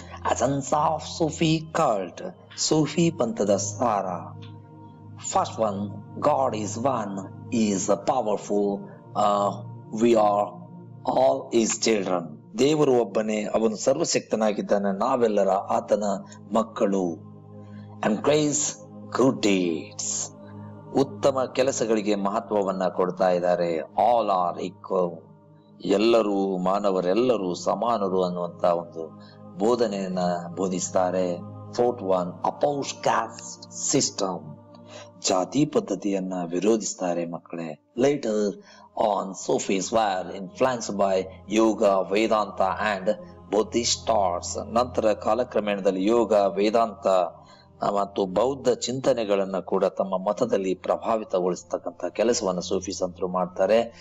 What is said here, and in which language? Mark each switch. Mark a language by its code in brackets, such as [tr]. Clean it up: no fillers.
[en] Essence of Sufi cult, Sufi [kn] ಪಂಥದ ಸಾರ. [en] First one, God is one, is powerful, we are all his children. [kn] ದೇವರು ಒಬ್ಬನೆ, ಅವನು ಸರ್ವಶಕ್ತನಾಗಿದ್ದಾನೆ, ನಾವೆಲ್ಲರ ಆತನ ಮಕ್ಕಳು. [en] Embrace good deeds, [kn] ಉತ್ತಮ ಕೆಲಸಗಳಿಗೆ ಮಹತ್ವವನ್ನ ಕೊಡ್ತಾ ಇದ್ದಾರೆ. [en] All are equal, [kn] ಎಲ್ಲರೂ ಮಾನವರೆಲ್ಲರೂ ಸಮಾನರು ಅನ್ನುವಂತ ಒಂದು ಬೋಧನೆಯನ್ನ ಬೋಧಿಸ್ತಾರೆ. [en] Fourth one, opposed caste system, [kn] ಜಾತಿ ಪದ್ಧತಿಯನ್ನ ವಿರೋಧಿಸ್ತಾರೆ ಮಕ್ಕಳೇ. [en] Later on Sufis were influenced by yoga, Vedanta and Buddhist thoughts. [kn] ನಂತರ ಕಾಲಕ್ರಮೇಣದಲ್ಲಿ ಯೋಗ, ವೇದಾಂತ ಮತ್ತು ಬೌದ್ಧ ಚಿಂತನೆಗಳನ್ನ ಕೂಡ ತಮ್ಮ ಮತದಲ್ಲಿ ಪ್ರಭಾವಿತಗೊಳಿಸತಕ್ಕಂತ ಕೆಲಸವನ್ನು ಸೂಫಿ ಸಂತರು ಮಾಡ್ತಾರೆ.